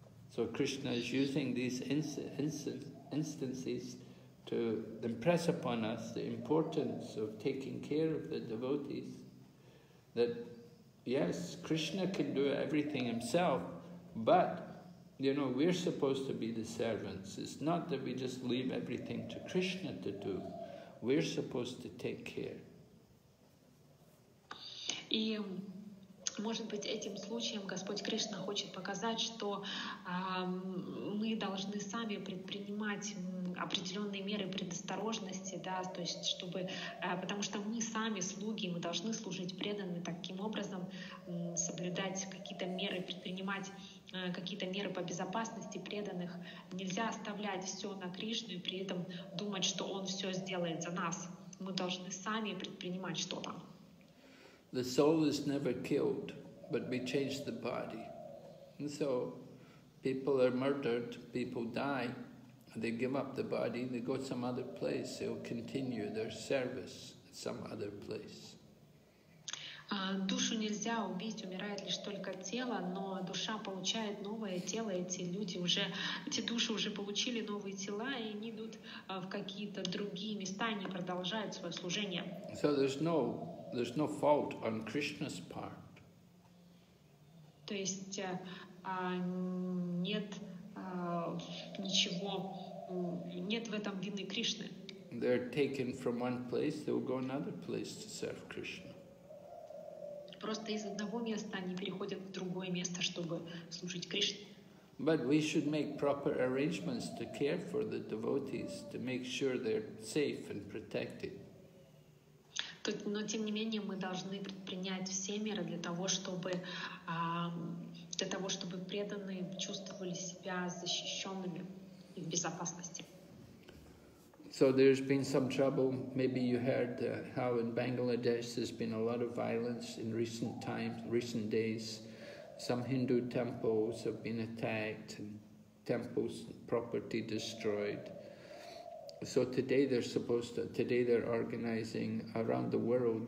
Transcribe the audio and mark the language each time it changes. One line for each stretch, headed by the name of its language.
English: So Krishna is using these instances to impress upon us the importance of taking care of the devotees, that yes, Krishna can do everything himself, but you know, we're supposed to be the servants. It's not that we just leave everything to Krishna to do. We're supposed to take care.
Russian: И, может быть, этим случаем Господь Кришна хочет показать, что мы должны сами предпринимать определенные меры предосторожности, да, то есть чтобы, потому что мы сами слуги, мы должны служить преданным таким образом, соблюдать какие-то меры, предпринимать какие-то меры по безопасности преданных. Нельзя оставлять все на Кришну и при этом думать, что Он все сделает за нас. Мы должны сами предпринимать что-то.
English: The soul is never killed, but we change the body. And so people are murdered, people die, they give up the body, they go to some other place, they'll continue their service in some other place.
Russian: Душу нельзя убить, умирает лишь только тело, но душа получает новое тело, эти души уже получили новые тела, и они идут в какие-то другие места, они продолжают свое служение.
English: So there's no fault on Krishna's part.
Russian: То есть нет ничего, нет в этом вины Кришны.
English: They're taken from one place, they'll go another place to serve Krishna.
Russian: Просто из одного места они переходят в другое место, чтобы служить Кришне.
English: But we should make proper arrangements to care for the devotees, to make sure they're safe and protected.
Russian: Но тем не менее мы должны предпринять все меры для того, чтобы преданные чувствовали себя защищенными и в безопасности.
English: So there's been some trouble. Maybe you heard how in Bangladesh there's been a lot of violence in recent times, recent days. Some Hindu temples have been attacked, and temples property destroyed. So today they're organizing around the world.